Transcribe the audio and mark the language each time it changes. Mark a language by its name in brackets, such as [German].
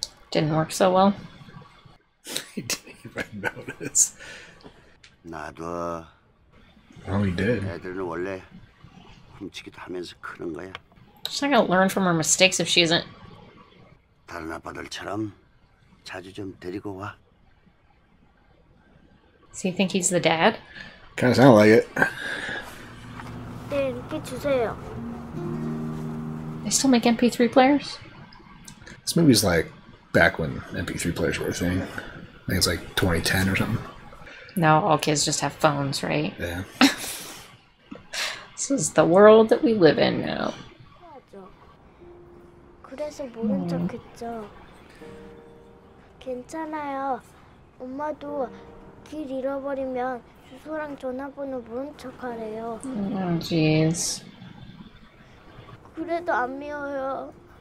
[English] Didn't work so well. He didn't even notice. [Korean] 나도. [English] Oh, he did. [Korean] 애들은 원래 훔치기도 하면서 크는 거야. [English] She's not gonna learn from her mistakes if she isn't. [Korean] 다른 아빠들처럼 자주 좀 데리고 와. [English] So you think he's the dad? Kind of sound like it. [Korean] 네, 이렇게 주세요. [English] They still make MP3 players? This movie's like back when MP3 players were a thing. I think it's like 2010 or something. Now all kids just have phones, right? Yeah. This is the world that we live in now. [Korean] 맞아. 그래서 모른 척했죠. 괜찮아요. 엄마도... 길 잃어버리면 주소랑 전화번호 모른 척하래요. [English] Jeez. [Korean] 그래도 안 미워요.